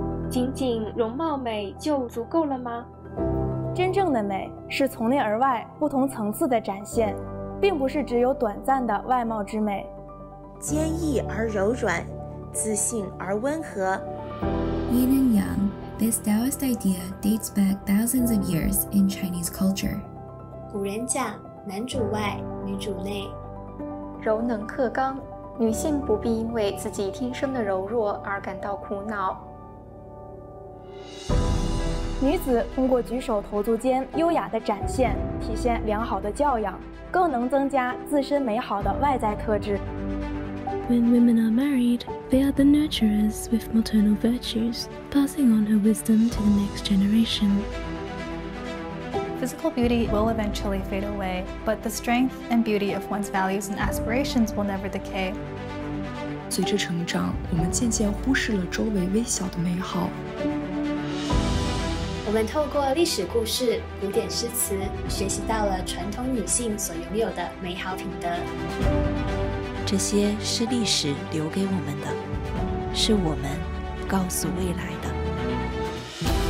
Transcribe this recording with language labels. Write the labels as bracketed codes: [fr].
[zh] 仅仅容貌美就足够了吗？真正的美是从内而外不同层次的展现，并不是只有短暂的外貌之美。坚毅而柔软，自信而温和。 [en] Yin and Yang, this Taoist idea dates back thousands of years in Chinese culture. [zh] 古人讲男主外女主内，柔能克刚，女性不必因为自己天生的柔弱而感到苦恼。女子通过举手投足间优雅的展现，体现良好的教养，更能增加自身美好的外在特质。 [en] When women are married, they are the nurturers with maternal virtues, passing on her wisdom to the next generation. Physical beauty will eventually fade away, but the strength and beauty of one's values and aspirations will never decay. [zh] 随着成长，我们渐渐忽视了周围微小的美好。我们透过历史故事、古典诗词，学习到了传统女性所拥有的美好品德。这些是历史留给我们的，是我们告诉未来的。